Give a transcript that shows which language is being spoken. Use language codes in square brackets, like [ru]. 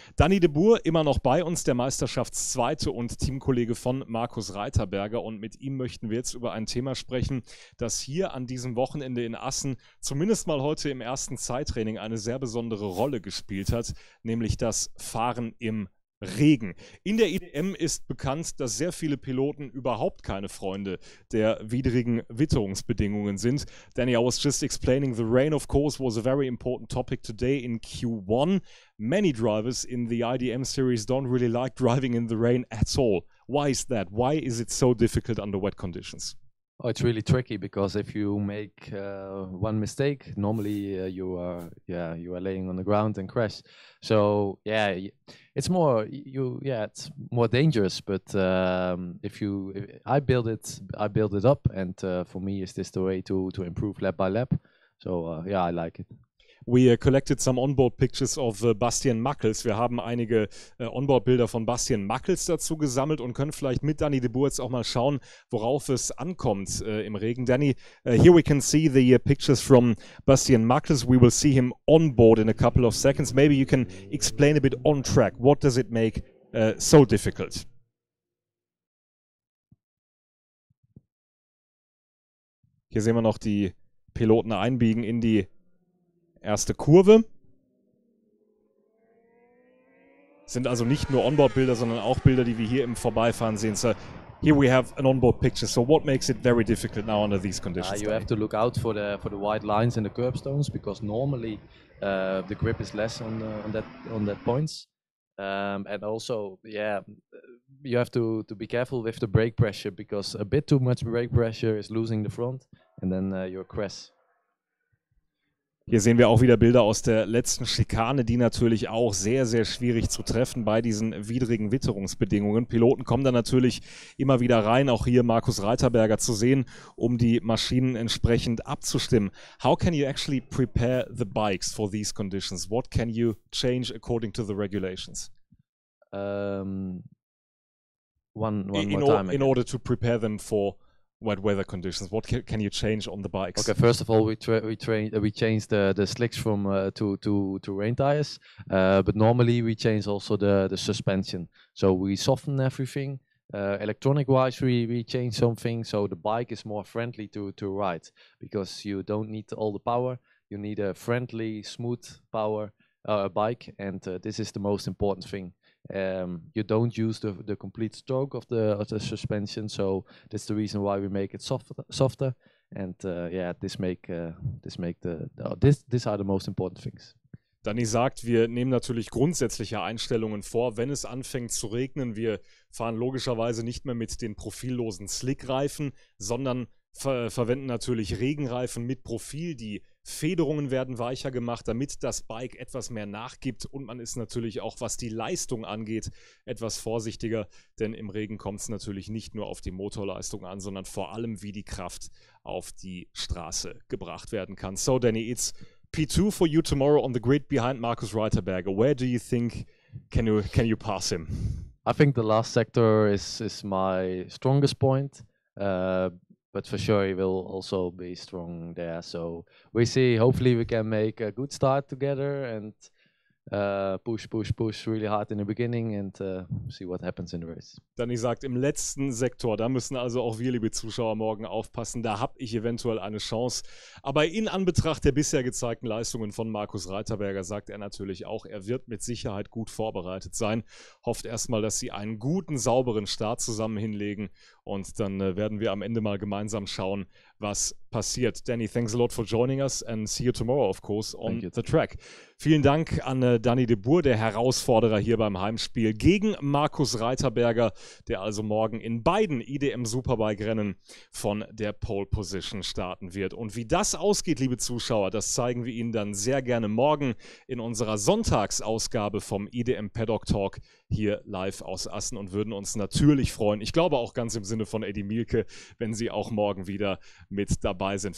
[de] Danny de Boer immer noch bei uns, der Meisterschaftszweite und Teamkollege von Markus Reiterberger, und mit ihm möchten wir jetzt über ein Thema sprechen, das hier an diesem Wochenende in Assen zumindest mal heute im ersten Zeittraining eine sehr besondere Rolle gespielt hat, nämlich das Fahren im Regen. In der IDM ist bekannt, dass sehr viele Piloten überhaupt keine Freunde der widrigen Witterungsbedingungen sind. [en] Danny, I was just explaining, the rain of course was a very important topic today in Q1. Many drivers in the IDM series don't really like driving in the rain at all. Why is that? Why is it so difficult under wet conditions? Oh, it's really tricky because if you make one mistake, normally you are laying on the ground and crash. So yeah, it's more it's more dangerous. But I build it up, and for me, is this the way to improve lap by lap? So I like it. We collected some onboard pictures of Bastian Mackels. [de] Wir haben einige Onboard-Bilder von Bastian Mackels dazu gesammelt und können vielleicht mit Danny de Boer jetzt auch mal schauen, worauf es ankommt im Regen. [en] Danny, here we can see the pictures from Bastian Mackels. We will see him onboard in a couple of seconds. Maybe you can explain a bit on track. What does it make so difficult? [de] Hier sehen wir noch die Piloten einbiegen in die erste Kurve. Sind also nicht nur Onboard-Bilder, sondern auch Bilder, die wir hier im Vorbeifahren sehen. [en] So, here we have an onboard picture. So what makes it very difficult now under these conditions? You have to look out for the white lines and the curb stones, because normally the grip is less on that points. And also, yeah, you have to be careful with the brake pressure, because a bit too much brake pressure is losing the front and then you crash. [de] Hier sehen wir auch wieder Bilder aus der letzten Schikane, die natürlich auch sehr, sehr schwierig zu treffen bei diesen widrigen Witterungsbedingungen. Piloten kommen dann natürlich immer wieder rein, auch hier Markus Reiterberger zu sehen, um die Maschinen entsprechend abzustimmen. [en] How can you actually prepare the bikes for these conditions? What can you change according to the regulations? One more time. In order to prepare them for wet weather conditions, what can you change on the bikes? Okay, first of all, we change the slicks from to rain tires, but normally we change also the suspension. So we soften everything, Electronic wise, we changed something so the bike is more friendly to ride, because you don't need all the power. You need a friendly, smooth power bike, and this is the most important thing. You don't use the complete stroke of the suspension, so that's the reason why we make it softer. And yeah, these are the most important things. [de] Danny sagt, wir nehmen natürlich grundsätzliche Einstellungen vor. Wenn es anfängt zu regnen, wir fahren logischerweise nicht mehr mit den profillosen Slick-Reifen, sondern verwenden natürlich Regenreifen mit Profil. Die Federungen werden weicher gemacht, damit das Bike etwas mehr nachgibt. Und man ist natürlich auch, was die Leistung angeht, etwas vorsichtiger. Denn im Regen kommt es natürlich nicht nur auf die Motorleistung an, sondern vor allem, wie die Kraft auf die Straße gebracht werden kann. [en] So, Danny, it's P2 for you tomorrow on the grid behind Markus Reiterberg. Where do you think can you pass him? I think the last sector is my strongest point. But for sure he will also be strong there. So we see, hopefully we can make a good start together and push really hard in the beginning and see what happens in the race. [de] Danny sagt, im letzten Sektor, da müssen also auch wir, liebe Zuschauer, morgen aufpassen, da habe ich eventuell eine Chance. Aber in Anbetracht der bisher gezeigten Leistungen von Markus Reiterberger sagt er natürlich auch, er wird mit Sicherheit gut vorbereitet sein, hofft erstmal, dass sie einen guten, sauberen Start zusammen hinlegen und dann werden wir am Ende mal gemeinsam schauen, was passiert. [en] Danny, thanks a lot for joining us and see you tomorrow, of course, on the track. [de] Vielen Dank an Danny de Boer, der Herausforderer hier beim Heimspiel gegen Markus Reiterberger, der also morgen in beiden IDM Superbike-Rennen von der Pole Position starten wird. Und wie das ausgeht, liebe Zuschauer, das zeigen wir Ihnen dann sehr gerne morgen in unserer Sonntagsausgabe vom IDM Paddock Talk hier live aus Assen und würden uns natürlich freuen, ich glaube auch ganz im Sinne von Eddie Mielke, wenn Sie auch morgen wieder mit dabei sind.